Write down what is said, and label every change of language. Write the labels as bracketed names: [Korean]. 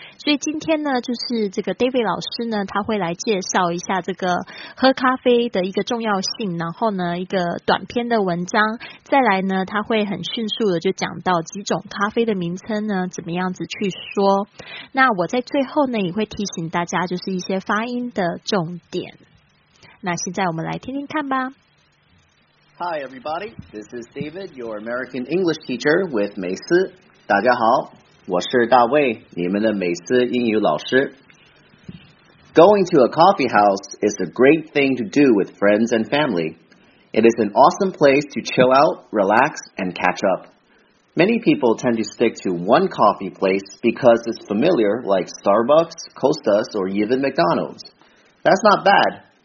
[Chinese] 所以今天呢，就是这个 David 老师呢，他会来介绍一下这个喝咖啡的一个重要性，然后呢一个短篇的文章，再来呢他会很迅速的就讲到几种咖啡的名称呢怎么样子去说。那我在最后呢也会提醒大家，就是一些发音的重点。那现在我们来听听看吧。 [English] Hi everybody, this is David, your American English teacher with 美思。 [Chinese] 大家好，我是大卫，你们的美思英语老师。 [English] Going to a coffee house is a great thing to do with friends and family. It is an awesome place to chill out, relax, and catch up. Many people tend to stick to one coffee place because it's familiar, like Starbucks, Costa's, or even McDonald's. That's not bad.